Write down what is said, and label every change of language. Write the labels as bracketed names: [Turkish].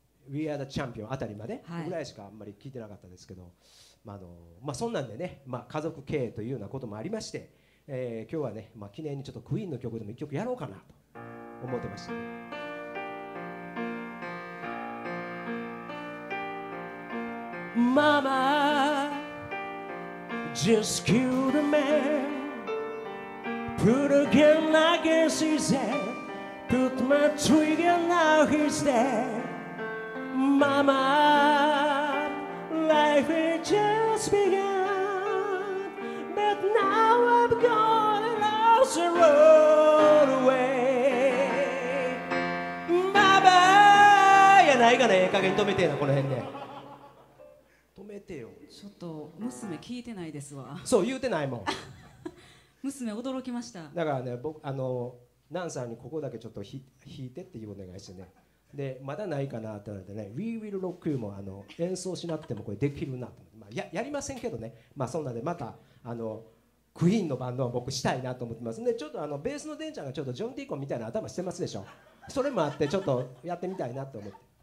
[English] We are the champion [Japanese] あたりまでぐらいしかあんまり聞いてなかったですけど、はいまあのまあ、そんなんでね、まあ、家族経営というようなこともありまして、今日はね、まあ、記念にちょっとクイーンの曲でも一曲やろうかなと思ってました [English] Mama, just kill the man. Put a gun against his head. Put my trigger, now he's dead. Mama, life had just begun. But now I've gone and lost the road away. [Japanese] Mama, やないかね、加減止めてえな、この辺で。ちょっと娘聞いてないですわそう言うてないもん娘驚きましただからね僕あのナンさんにここだけちょっと弾いてっていうお願いしてねでまだないかなってなってね We Will Rock You もあの演奏しなくてもこれできるなと、まあ、やりませんけどねまあそんなでまたあのクイーンのバンドは僕したいなと思ってますんでちょっとあのベースのデンちゃんがちょっとジョン・ディーコンみたいな頭してますでしょそれもあってちょっとやってみたいなと思って